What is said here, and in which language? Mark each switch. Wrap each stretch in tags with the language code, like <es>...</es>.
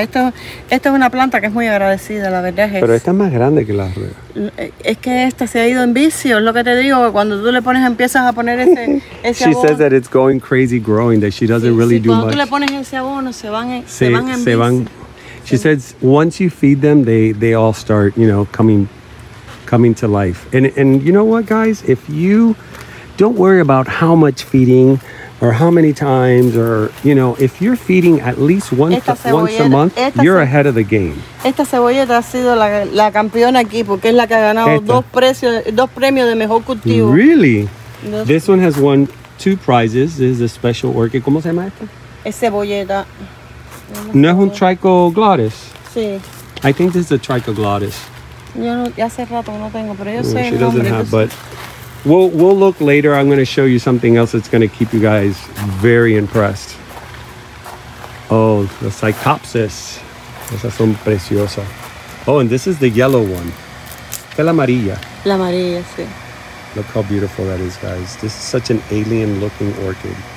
<es>Esta es una planta que es muy agradecida, la verdad es. Pero esta es más grande que la rueda. Es que esta se ha ido en vicio, es lo que te digo. Cuando tú le pones, empiezas a poner ese abono.</es> <en>She says that it's going crazy growing, that she doesn't really do much.</en> <es>Cuando tú le pones ese abono, se van en vicio.</es> <en>She says, once you feed them, they all start, you know, coming to life. And you know what, guys? If you don't worry about how much feeding, or how many times, or, you know, if you're feeding at least once a month, you're ahead of the game.</en> <es>Esta cebolla ha sido la campeona aquí, porque es la que ha ganado dos premios de mejor cultivo.</es> <en>Really? This one has won 2 prizes. This is a special orchid.</en> <es>¿Cómo se llama esta? Es cebolleta. No es un trichoglottis. Sí.</es> <en>I think this is a trichoglottis.</en> <es>Yo no, hace rato no tengo, pero yo sé el nombre.</es> <en>She doesn't have, but... We'll look later. I'm going to show you something else that's going to keep you guys very impressed.</en> <es>Oh, the psychopsis. Esas son preciosas.</es> <en>Oh, and this is the yellow one.</en> <es>Es la amarilla. La amarilla, sí.</es> <en>Look how beautiful that is, guys. This is such an alien-looking orchid.</en>